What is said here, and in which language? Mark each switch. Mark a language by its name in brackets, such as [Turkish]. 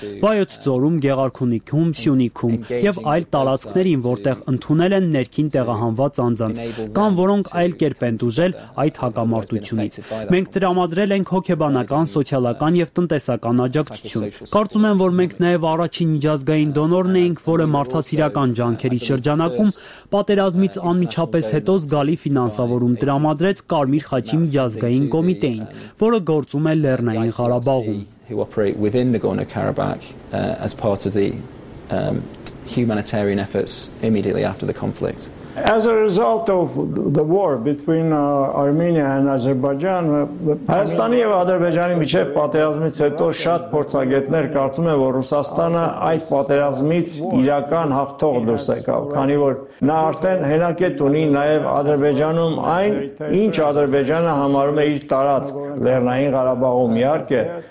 [Armenian] Վայոց Ձորում, Գեղարքունիք, Հումսյունիքում եւ այլ տարածքներին, որտեղ ընդունել են ներքին տեղահանված անձանց, կամ որոնք այլ կերպ են դուժել այդ հակամարտությունից։ Մենք դրամադրել ենք հոգեբանական, սոցիալական եւ տնտեսական աջակցություն։ Կարծում եմ, որ մենք նաեւ առաջին միջազգային դոնորն էինք, որը մարդասիրական ջանքերի շրջանակում պատերազմից անմիջապես հետո զգալի ֆինանսավորում դրամադրեց Կարմիր խաչի միջազգային կոմիտեին, որը գործում է Լեռնային Ղարաբաղում, [English] who operate within Nagorno-Karabakh as part of the humanitarian efforts immediately after the conflict. As a result of the war between Armenia and Azerbaijan, [Armenian] Հայաստանի եւ Ադրբեջանի միջեւ պատերազմից հետո շատ փորձագետներ կարծում են, որ Ռուսաստանը այդ պատերազմից իրական հաղթող դուրս եկավ, քանի որ նա արդեն հենակետ ունի նաեւ Ադրբեջանում, այն ինչ Ադրբեջանը համարում է իր տարածք Լեռնային Ղարաբաղում։ Իհարկե,